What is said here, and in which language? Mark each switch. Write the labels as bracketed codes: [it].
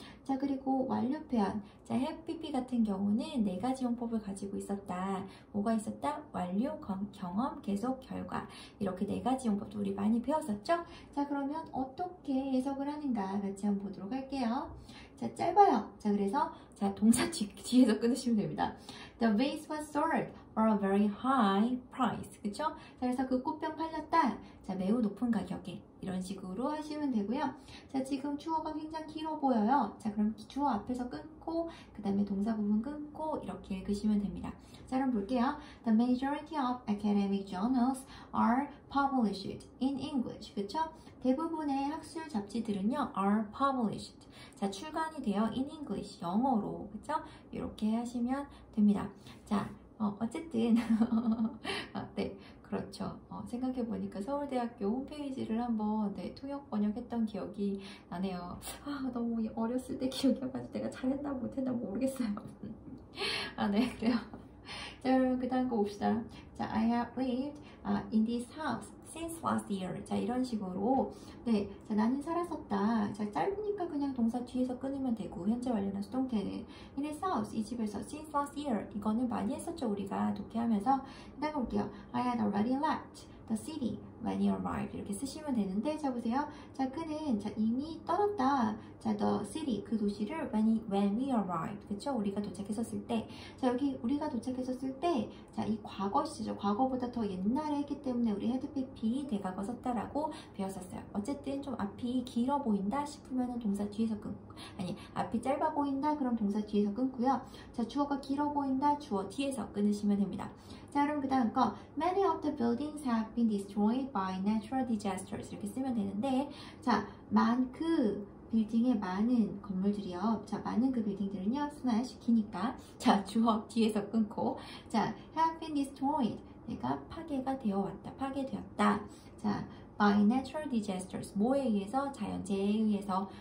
[ko] 자, 그리고 완료 표현. 자, have BP 같은 경우는 네 가지 용법을 가지고 있었다. 뭐가 있었다? 완료, 경험, 계속, 결과. 이렇게 네 가지 용법도 우리 많이 배웠었죠? 자, 그러면 어떻게 해석을 하는가? 같이 한번 보도록 할게요. 자, 짧아요. 자, 그래서 자, 동사 뒤에서 끊으시면 됩니다. [en] The vase was sold for a very high price. [ko] 그쵸? 자, 그래서 그 꽃병 팔렸다. 자, 매우 높은 가격에. 이런 식으로 하시면 되고요. 자, 지금 주어가 굉장히 길어 보여요. 자, 그럼 주어 앞에서 끊고, 그 다음에 동사 부분 끊고, 이렇게 읽으시면 됩니다. 자, 그럼 볼게요. [en] The majority of academic journals are published in English. [ko] 그쵸? 대부분의 학술 잡지들은요, [en] are published. [ko] 자, 출간이 되어 [en] in English, [ko] 영어로. 그쵸? 이렇게 하시면 됩니다. 자, 어쨌든. 네. 그렇죠. 생각해보니까 서울대학교 홈페이지를 한번 네, 통역 번역했던 기억이 나네요. 아, 너무 어렸을 때 기억해가지고 내가 잘했나 못했나 모르겠어요. 아, 네, 그래요. 자, 여러분, 그 다음 거 봅시다. [en] 자, I have lived in this house since last year. [ko] 자, 이런 식으로. 네, 자, 나는 살았었다. 자, 짧으니까 그냥 동사 뒤에서 끊으면 되고, 현재 완료나 수동태는. [en] In this house, [ko] 이 집에서 [en] since last year. [ko] 이거는 많이 했었죠, 우리가. 독해하면서. 일단 볼게요. [en] I had already left the city when he arrived. [ko] 이렇게 쓰시면 되는데, 자, 보세요. 자, 그는 자, 이미 떠났다. 자, [en] the city, [ko] 그 도시를 [en] when we arrived. [ko] 그쵸? 우리가 도착했었을 때. 자, 여기 우리가 도착했었을 때, 자, 이 과거 시제죠. 과거보다 더 옛날에 했기 때문에 우리 had BP 대과거 썼다라고 배웠었어요. 어쨌든 좀 앞이 길어 보인다 싶으면 동사 뒤에서 끊고, 아니, 앞이 짧아 보인다? 그럼 동사 뒤에서 끊고요. 자, 주어가 길어 보인다? 주어 뒤에서 끊으시면 됩니다. 자, 그럼 그 다음 거. [en] Many of the buildings have been destroyed by natural disasters. [ko] 이렇게 쓰면 되는데, 자, 많그 빌딩의 많은 건물들이요. 자, 많은 그 빌딩들은요. 순화 시키니까. 자, 주어 뒤에서 끊고. 자, [en] have been destroyed. [ko] 내가 파괴가 되어 왔다. 파괴되었다. 자, [en] by natural disasters. [ko] 뭐에 의해서? 자연재해에 의해서.